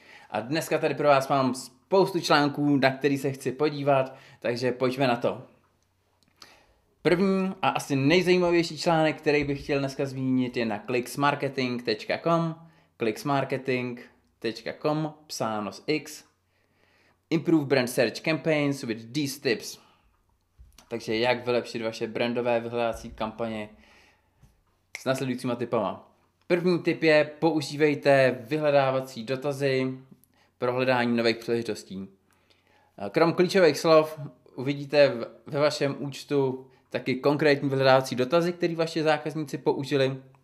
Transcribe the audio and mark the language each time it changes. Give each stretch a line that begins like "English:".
Czech: A dneska tady pro vás mám spoustu článků, na který se chci podívat, takže pojďme na to. První a asi nejzajímavější článek, který bych chtěl dneska zmínit, je na clicksmarketing.com, clicksmarketing.com, psáno s X.
English: Improve brand search campaigns with these tips.
Czech: Takže jak vylepšit vaše brandové vyhledávací kampaně s následujícíma typama. První tip je, používejte vyhledávací dotazy pro hledání nových příležitostí. Krom klíčových slov uvidíte ve vašem účtu taky konkrétní vyhledávací dotazy, které vaše zákazníci použili.